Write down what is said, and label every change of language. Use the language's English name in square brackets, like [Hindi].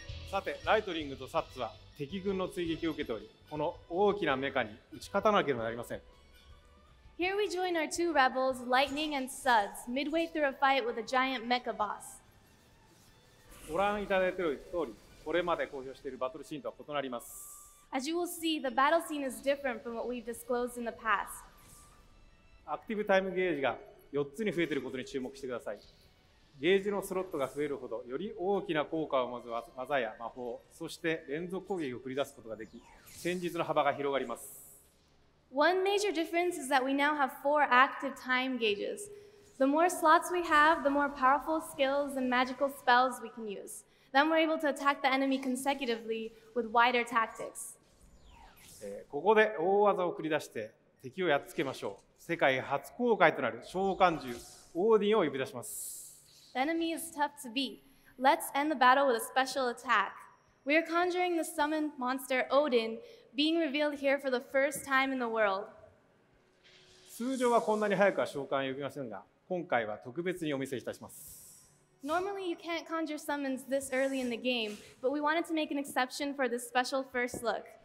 [Japanese] さて、ライトリングとサッツは敵軍の追撃を受けており、この大きなメカに打ち勝たなければなりません。 [English] Here we join our two rebels, Lightning and Suds, midway through a fight with a giant mecha boss. [Japanese] ご覧いただいている通り、これまで公表しているバトルシーンとは異なります。 [English] As you will see, the battle scene is different from what we've disclosed in the past. [Japanese] アクティブタイムゲージが4つに増えていることに注目してください。ゲージのスロットが増えるほど、より大きな効果を持つ技や魔法、そして連続攻撃を繰り出すことができ、戦術の幅が広がります。 [English] One major difference is that we now have four active time gauges. The more slots we have, the more powerful skills and magical spells we can use. Then we're able to attack the enemy consecutively with wider tactics. [Japanese] ここで大技を繰り出して敵をやっつけましょう。世界初公開となる召喚獣、オーディンを呼び出します。 [English] The enemy is tough to beat. Let's end the battle with a special attack. We are conjuring the summoned monster, Odin,Being revealed here for the first time in the world. [Japanese] 通常はこんなに早くは召喚を呼びませんが、今回は特別にお見せいたします。 [English] Normally you can't conjure summons this early in the game, but we wanted to make an exception for this special first look.